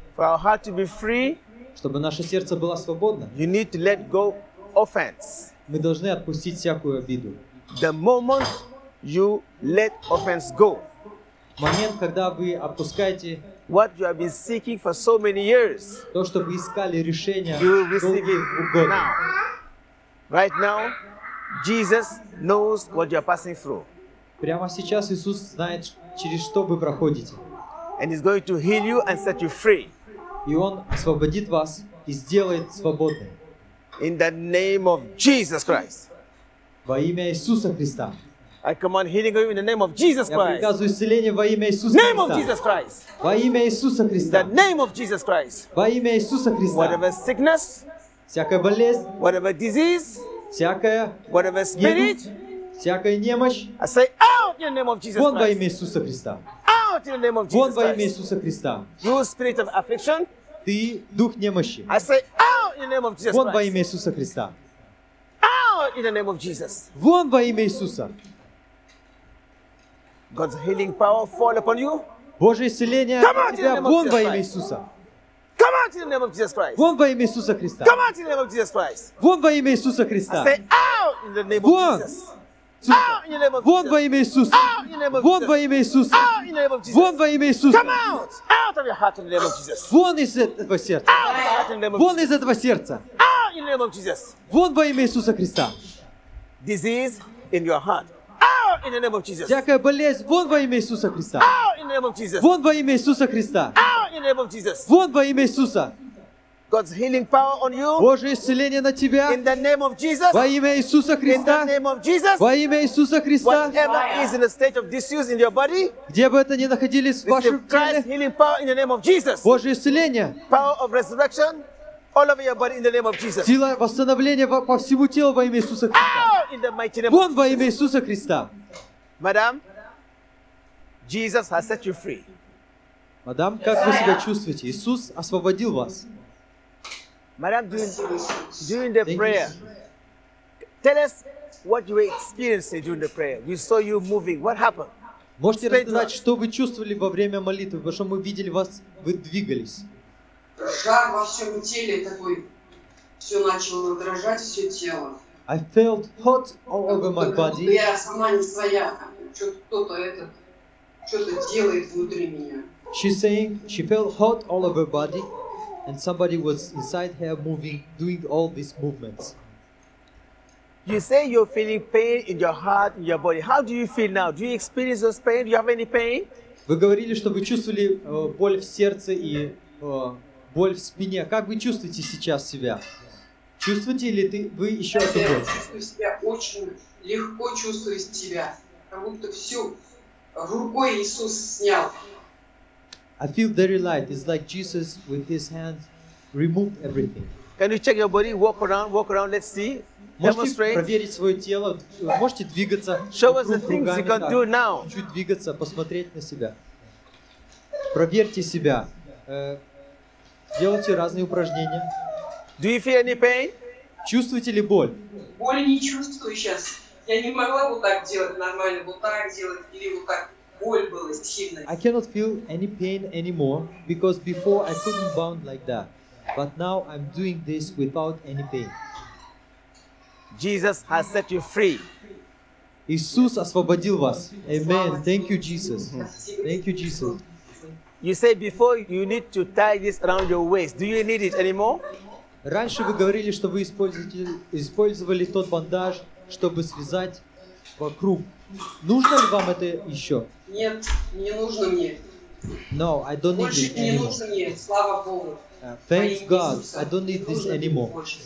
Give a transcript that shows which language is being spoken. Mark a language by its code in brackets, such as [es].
[en] For our heart to be free, [ru] чтобы наше сердце было свободно, [en] you need to let go offense. [ru] Мы должны отпустить всякую обиду. [en] The moment you let offense go, [ru] момент, когда вы отпускаете [en] what you have been seeking for so many years, [ru] то, что вы искали решение, [en] you will receive it now. Right now, Jesus knows what you are passing through. [ru] Прямо сейчас Иисус знает, через что вы проходите. [en] And he's going to heal you and set you free. [ru] И он освободит вас и сделает свободным. [en] In the name of Jesus Christ. [ru] Во имя Иисуса Христа. [en] I command healing of you in the name of Jesus Christ. [ru] Я приказываю исцеление во имя Иисуса [en] Христа. Name of Jesus Christ. [ru] Во имя Иисуса Христа. [en] The name of Jesus Christ. [ru] Во имя Иисуса Христа. [en] Whatever sickness, [ru] всякая болезнь, [en] whatever disease, [ru] всякая, [en] whatever spirit, [ru] всякая немощь, [en] I say out in the name of Jesus Christ. [ru] Во имя Иисуса Христа. [en] Out in the name of Jesus Christ. [ru] Во имя Иисуса Христа. [en] You spirit of affliction. [ru] Ты дух немощи. [en] I say out in the name of Jesus Christ. [ru] Во имя Иисуса Христа. [en] Out in the name of Jesus. [ru] Вон во имя Иисуса. [en] God's healing power fall upon you. [ru] Божье исцеление на тебя. Вон во имя Иисуса. [en] Come out in the name of Jesus Christ. [ru] Вон во имя Иисуса Христа. [en] Come out in the name of Jesus Christ. [ru] Вон во имя Иисуса Христа. [en] I say out in the name of [ru] Вон. [en] Jesus. Out in the name of Jesus. [ru] Вон во имя Иисуса. Вон во имя Иисуса. Вон во имя Иисуса. [en] Come out of your heart in the name of Jesus. [ru] Вон из этого сердца. [en] Out of your heart in the name of Jesus. [ru] Вон из этого сердца. [en] Out in the name of Jesus. [ru] Вон во имя Иисуса Христа. [en] Disease in your heart. Out in the name of Jesus. [ru] Всякая болезнь. Вон во имя Иисуса Христа. [en] Out in the name of Jesus. [ru] Вон во имя Иисуса Христа. [en] Out in the name of Jesus. [ru] Вон во имя Иисуса. [en] God's healing power on you. [ru] Божье исцеление на тебя. [en] In the name of Jesus. [ru] Во имя Иисуса Христа. [en] In the name of Jesus. [ru] Во имя Иисуса Христа. [en] Whatever is in a state of disuse in your body. [ru] Где бы это ни находились в вашем теле. [en] Receive Christ's healing power in the name of Jesus. [ru] Божье исцеление. [en] Power of resurrection all over your body in the name of Jesus. [ru] Сила восстановления по всему телу во имя Иисуса Христа. [en] Out in the mighty name of Jesus. [ru] Вон во имя Иисуса Христа. [en] Madam, Jesus has set you free. [ru] Мадам, как вы себя чувствуете? Иисус освободил вас. [en] Madam, during the prayer, tell us what you were experiencing during the prayer. We saw you moving. What happened? [ru] Можете рассказать, что вы чувствовали во время молитвы, потому что мы видели вас, вы двигались. Жар во всем теле такой, все начало дрожать, все тело. [en] I felt hot all over my body. [ru] Я сама не своя, что-то делает внутри меня. [en] She's saying she felt hot all over her body. And somebody was inside her moving, doing all these movements. You say you're feeling pain in your heart, in your body. How do you feel now? Do you experience those pain? Do you have any pain? [ru] Вы говорили, что вы чувствовали боль в сердце и боль в спине. Как вы чувствуете сейчас себя? Чувствуете ли вы еще эту боль? Я чувствую себя очень легко, чувствую себя. Как будто всю рукой Иисус снял. [en] I feel very light. It's like Jesus with his hand removed everything. Can you check your body? Walk around, walk around. Let's see. Demonstrate. [ru] Проверить свое тело. Можете двигаться. [en] Show us the things you can do now. [ru] Чуть двигаться, посмотреть на себя. Проверьте себя. Делайте разные упражнения. [en] Do you feel any pain? [ru] Чувствуете ли боль? Боли не чувствую сейчас. Я не могла вот так делать нормально, вот так делать или вот так. [en] I cannot feel any pain anymore because before I couldn't bound like that. But now I'm doing this without any pain. Jesus has set you free. [ru] Иисус освободил вас. [en] Amen. Thank you, Jesus. Thank you, Jesus. You say before you need to tie this around your waist. Do you need it anymore? [ru] Раньше вы говорили, что вы использовали тот бандаж, чтобы связать вокруг. Нужно ли вам это еще? Нет, не нужно мне. [en] No, I don't need [ru] больше [en] it anymore. [ru] Больше не нужно мне, слава Богу. [en] Thank God, I don't need this anymore.